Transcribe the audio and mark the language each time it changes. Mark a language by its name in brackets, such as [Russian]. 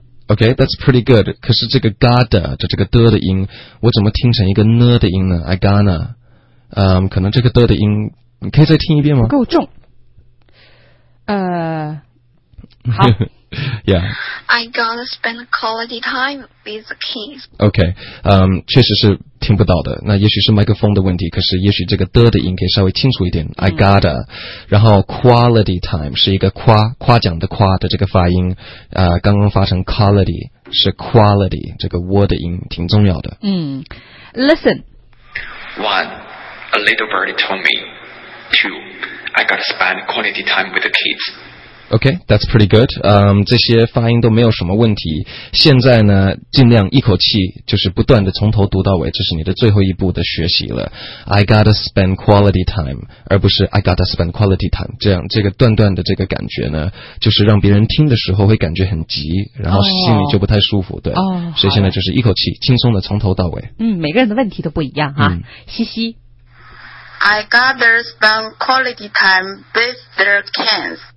[English] Okay, that's pretty good. [Chinese] 可是这个 gotta 就这个的的音，我怎么听成一个呢的音呢 ？I gotta， 可能这个的音，你可以再听一遍吗？不够重。好 [English] ，Yeah. I gotta spend quality time with the kids. [Chinese] Okay, 确实是听不到的。那也许是麦克风的问题，可是也许这个的音可以稍微清楚一点。 [English] I gotta, [Chinese] 然后 quality time 是一个夸奖的夸的这个发音，刚刚发成 quality 是 quality 这个 word 的音，挺重要的。 [English] Listen. One, a little birdie told me. Two, I gotta spend quality time with the kids. Okay, that's pretty good. [Chinese] 这些发音都没有什么问题。现在呢，尽量一口气就是不断的从头读到尾，这是你的最后一步的学习了。 [English] I gotta spend quality time, [Chinese] 而不是 I gotta spend quality time, 这样这个断断的这个感觉呢，就是让别人听的时候会感觉很急，然后心里就不太舒服，对。所以现在就是一口气轻松的从头到尾。每个人的问题都不一样哈。嘻嘻。 [English] I gotta spend quality time with their kids.